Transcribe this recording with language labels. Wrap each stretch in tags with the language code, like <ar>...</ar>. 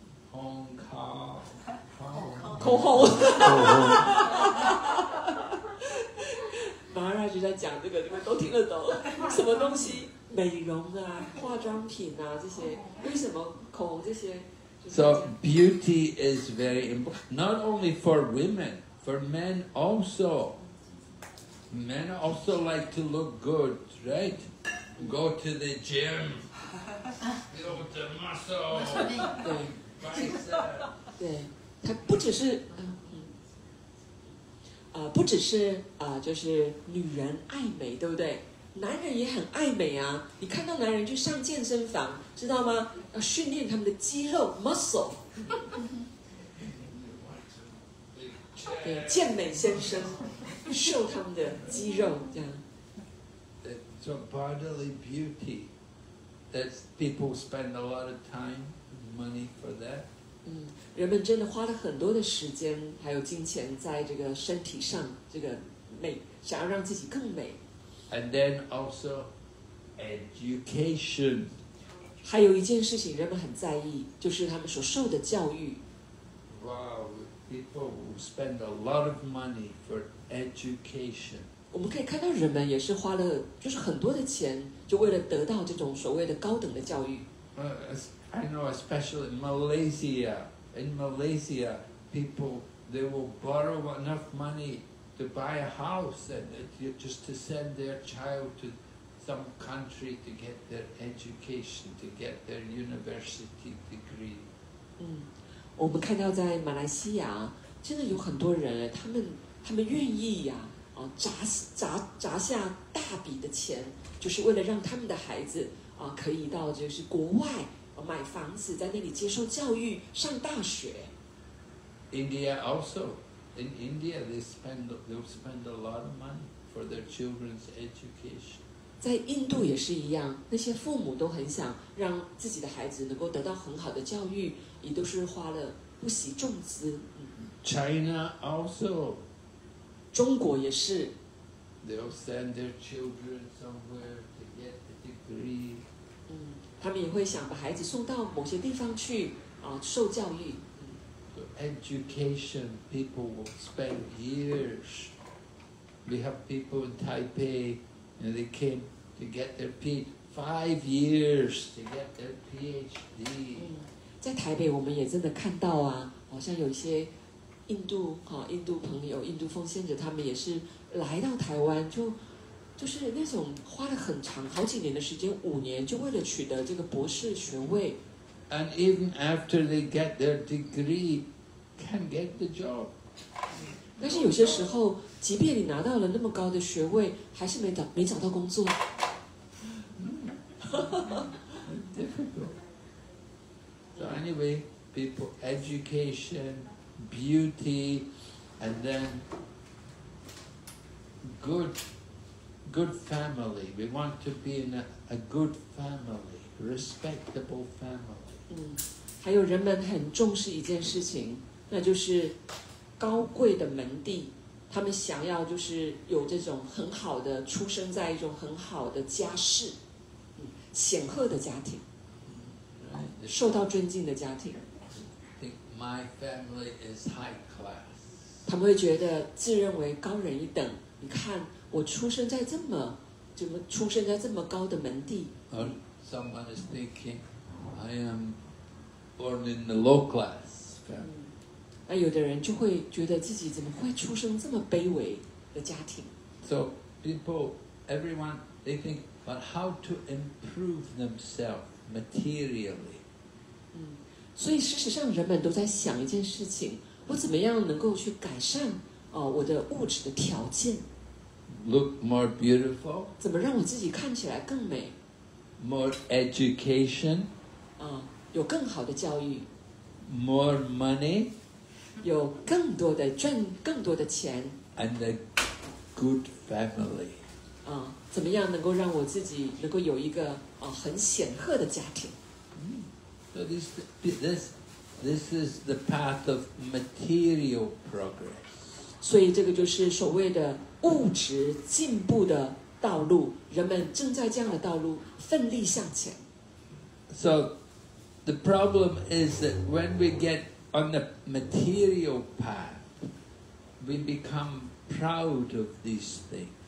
<en>Hong Kong, Hong Kong.</en> <zh>Maharaj 在讲这个，你们都听得懂什么东西？美容啊，化妆品啊，这些为什么口红这些</zh> <en>？So beauty is very important, not only for women. For men also like to look good, right? Go to the gym, build the muscle, biceps.</en> <zh>对，它不只是不只是就是女人爱美，对不对？男人也很爱美啊！你看到男人去上健身房，知道吗？要训练他们的肌肉 muscle。健美先生秀他们的肌肉这样。</zh> <en>So bodily beauty, that people spend a lot of time, money for that.</en> <zh>嗯，人们真的花了很多的时间还有金钱在这个身体上，这个美，想要让自己更美。</zh> <en>And then also education.</en> <zh>还有一件事情人们很在意，就是他们所受的教育。 Wow.</zh> <en>People who spend a lot of money for education.</en> <zh>我们可以看到人们也是花了就是很多的钱，就为了得到这种所谓的高等的教育。</zh> <en>I know, especially in Malaysia. In Malaysia, people they will borrow enough money to buy a house and just to send their child to some country to get their education, to get their university degree.</en> <zh>我们看到在马来西亚，真的有很多人，他们愿意呀、啊，砸下大笔的钱，就是为了让他们的孩子可以到就是国外买房子，在那里接受教育，上大学。</zh> <en>India also, in India they spend, they spend a lot of money for their children's education.</en> <zh>在印度也是一样，那些父母都很想让自己的孩子能够得到很好的教育，也都是花了不惜重资。</zh> <en>China also.</en> <zh>中国也是。</zh> <en>They'll send their children somewhere to get a degree.</en> <zh>他们也会想把孩子送到某些地方去受教育。</zh> <en>Education, people will spend years. We have people in Taipei, and they came to get their PhD, 5 years to get their PhD.</en> <zh>在台北我们也真的看到啊，好像有一些印度朋友，印度奉献者，他们也是来到台湾，就是那种花了很长好几年的时间，5年就为了取得这个博士学位。</zh> <en>And even after they get their degree,Can get the job.</en> <zh>但是有些时候，即便你拿到了那么高的学位，还是没找到工作。 Mm.</zh> <en>Difficult. So anyway, people, education, beauty, and then good family. We want to be in a good family, respectable family.</en> <zh>还有人们很重视一件事情。那就是高贵的门第，他们想要就是有这种很好的出生在一种很好的家世，显赫的家庭，受到尊敬的家庭。</zh> <en>Think my family is high class.</en> <zh>他们会觉得自认为高人一等。你看，我出生在这么高的门第。</zh> <en>Or someone is thinking, I am born in the low class family.</en> <zh>那有的人就会觉得自己怎么会出生这么卑微的家庭。</zh> <en>So people, everyone, they think, but how to improve themselves materially?</en> <zh>所以事实上人们都在想一件事情，我怎么样能够去改善我的物质的条件。</zh> <en>Look more beautiful.</en> <zh>怎么让我自己看起来更美。</zh> <en>More education.</en> <zh>有更好的教育。</zh> <en>More money.</en> <zh>有更多的赚更多的钱</zh> <en>，and a good family，</en> <zh>怎么样能够让我自己能够有一个很显赫的家庭</zh> <en>？So this is the path of material progress。</en> <zh>所以这个就是所谓的物质进步的道路，人们正在这样的道路奋力向前。</zh> <en>So the problem is that when we get On the material path, we become proud of these things.</en>